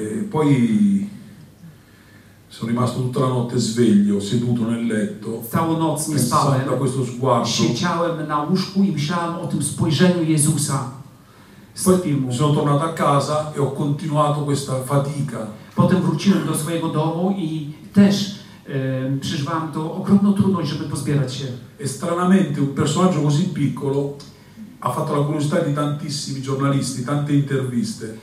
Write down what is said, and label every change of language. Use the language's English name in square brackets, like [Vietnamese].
[Italian] Poi sono rimasto tutta la notte sveglio, seduto nel letto. [Polish] Całą noc nie spałem. [Italian] Pensando a questo sguardo. [Polish] Siedziałem na łóżku i myślałem o tym spojrzeniu Jezusa. [Italian] Sono tornato a casa e ho continuato questa fatica. [Polish] Potem wróciłem do swojego domu i też przeżywałem to ogromną trudność, żeby pozbierać się. [Italian] E stranamente un personaggio così piccolo ha fatto la curiosità di tantissimi giornalisti, tante interviste.